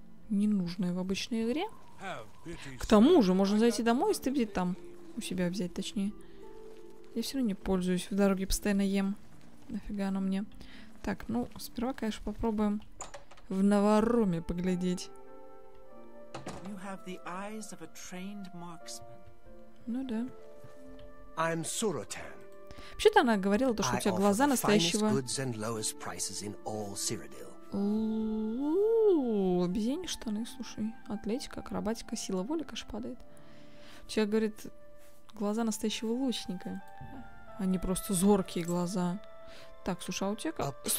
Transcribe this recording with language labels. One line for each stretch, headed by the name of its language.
Russian: Ненужное в обычной игре. К тому же, можно зайти домой и стыбзить там. У себя взять, точнее. Я все равно не пользуюсь. В дороге постоянно ем. Нафига оно мне? Так, ну, сперва, конечно, попробуем в Новоруме поглядеть.
English: You have the eyes of a trained marksman.
Russian: Ну да.
English: I'm Surotan.
Russian: Вообще-то она говорила, что у тебя глаза настоящего... обезьяньи штаны, слушай. Атлетика, акробатика, сила воли, конечно, падает. Человек говорит... Глаза настоящего лучника. Они просто зоркие глаза. Так, слушай, а у тебя как...